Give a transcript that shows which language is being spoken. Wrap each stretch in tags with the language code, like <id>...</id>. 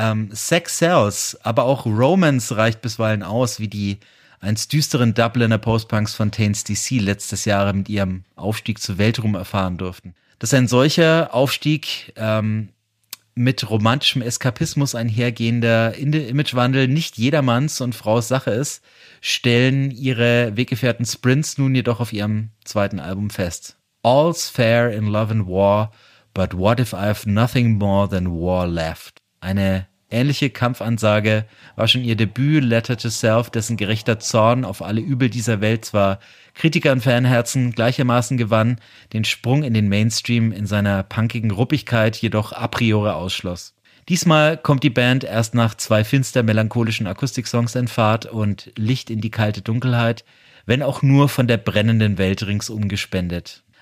<de>Sex Sells, aber auch Romance reicht bisweilen aus, wie die einst düsteren Dubliner Postpunks von Taints DC letztes Jahr mit ihrem Aufstieg zu Weltruhm erfahren durften. Dass ein solcher Aufstieg mit romantischem Eskapismus einhergehender Imagewandel nicht jedermanns und Fraus Sache ist, stellen ihre Weggefährten Sprints nun jedoch auf ihrem zweiten Album fest.</de> <en>All's fair in love and war, but what if I have nothing more than war left?</en> <de>Eine ähnliche Kampfansage war schon ihr Debüt Letter to Self, dessen gerechter Zorn auf alle Übel dieser Welt zwar Kritiker und Fanherzen gleichermaßen gewann, den Sprung in den Mainstream in seiner punkigen Ruppigkeit jedoch a priori ausschloss. Diesmal kommt die Band erst nach zwei finster melancholischen Akustiksongs in Fahrt und Licht in die kalte Dunkelheit, wenn auch nur von der brennenden Welt ringsum gespendet.</de>